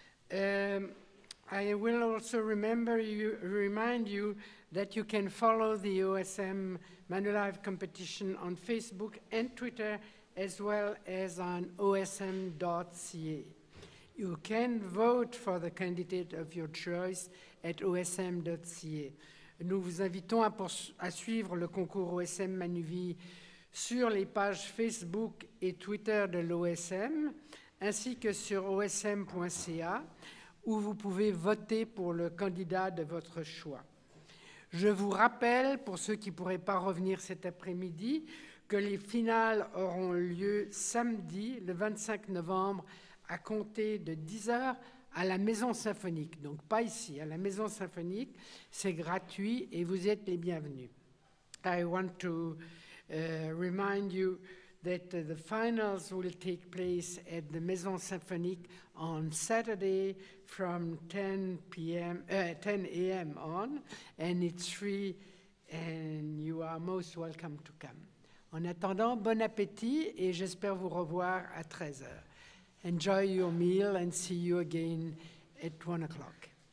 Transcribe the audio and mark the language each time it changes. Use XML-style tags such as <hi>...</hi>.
<en>I will also remind you that you can follow the OSM Manulife competition on Facebook and Twitter, as well as on osm.ca. You can vote for the candidate of your choice at osm.ca.</en> <fr>Nous vous invitons à suivre le concours OSM Manuvie sur les pages Facebook et Twitter de l'OSM, ainsi que sur osm.ca, où vous pouvez voter pour le candidat de votre choix. Je vous rappelle, pour ceux qui ne pourraient pas revenir cet après-midi, que les finales auront lieu samedi, le 25 novembre, à compter de 10 heures à la Maison Symphonique. Donc pas ici, à la Maison Symphonique. C'est gratuit et vous êtes les bienvenus.</fr> <en>I want to remind you that the finals will take place at the Maison Symphonique on Saturday from 10 a.m. on, and it's free, and you are most welcome to come.</en> <fr>En attendant, bon appétit et j'espère vous revoir à 13 heures.</fr> <en>Enjoy your meal and see you again at 1 o'clock.</en>